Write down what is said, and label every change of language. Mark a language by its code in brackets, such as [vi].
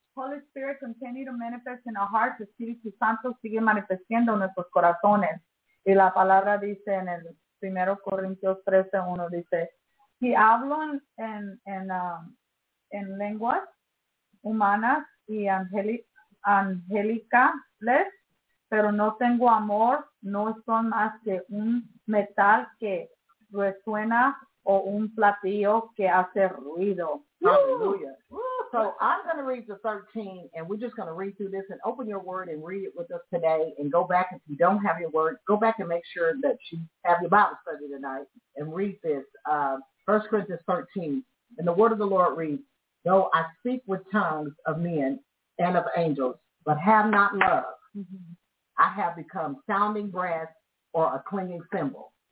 [en] Holy Spirit, continue to manifest in our hearts. [es] El Espíritu Santo sigue manifestando en nuestros corazones. Y la palabra dice en el 1 Corintios 13:1 dice, si hablo en lenguas humanas y angelicales, pero no tengo amor, no son más que un metal que resuena o un platillo que hace ruido. Aleluya. [en] So I'm going to read the 13, and we're just going to read through this and open your word and read it with us today and go back. If you don't have your word, go back and make sure that you have your Bible study tonight and read this. 1 Corinthians 13, and the word of the Lord reads, though I speak with tongues of men and of angels, but have not love, I have become sounding brass or a clanging cymbal.